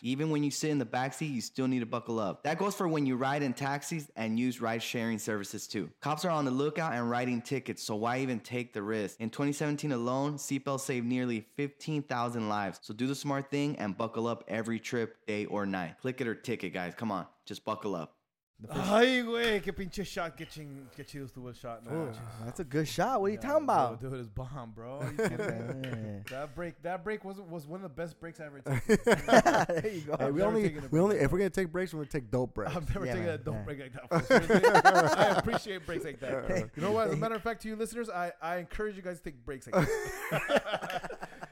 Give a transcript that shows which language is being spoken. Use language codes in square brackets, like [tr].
[en] Even when you sit in the backseat, you still need to buckle up. That goes for when you ride in taxis and use ride-sharing services too. Cops are on the lookout and writing tickets, so why even take the risk? In 2017 alone, seatbelts saved nearly 15,000 lives. So do the smart thing and buckle up every trip, day or night. Click it or ticket, guys. Come on, just buckle up. [es] Ay, güey, qué pinche shot, qué chido estuvo el shot. [en] That's a good shot. What are you talking about? Dude, it's bomb, bro. That break was one of the best breaks I ever took. There you go. Hey, if we're going to take breaks, we're going to take dope breaks. I've never taken a dope break like that. I appreciate breaks like that. You know what? As a matter of fact, to you listeners, I encourage you guys to take breaks like that.